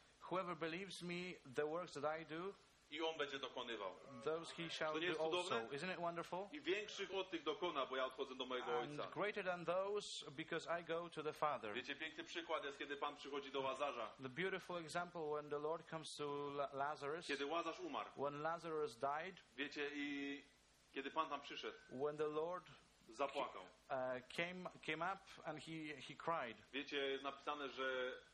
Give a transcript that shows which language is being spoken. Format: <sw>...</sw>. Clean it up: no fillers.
<en>Whoever believes me, the works that I do,</en> <pl>i on będzie dokonywał.</pl> <en>Those he shall do also. Isn't it wonderful?</en> <pl>I większych od tych dokona, bo ja odchodzę do mojego</pl> <en>and</en> <pl>Ojca.</pl> <en>Greater than those, because I go to the Father.</en> <pl>Wiecie, piękny przykład jest, kiedy Pan przychodzi do Łazarza.</pl> <en>The beautiful example when the Lord comes to Lazarus.</en> <pl>Kiedy Łazarz umarł.</pl> <en>When Lazarus died.</en> <pl>Wiecie, i kiedy Pan tam przyszedł.</pl> <en>When the Lord</en> <pl>zapłakał.</pl> <en>Came up and he cried.</en> <pl>Wiecie, jest napisane, że</pl>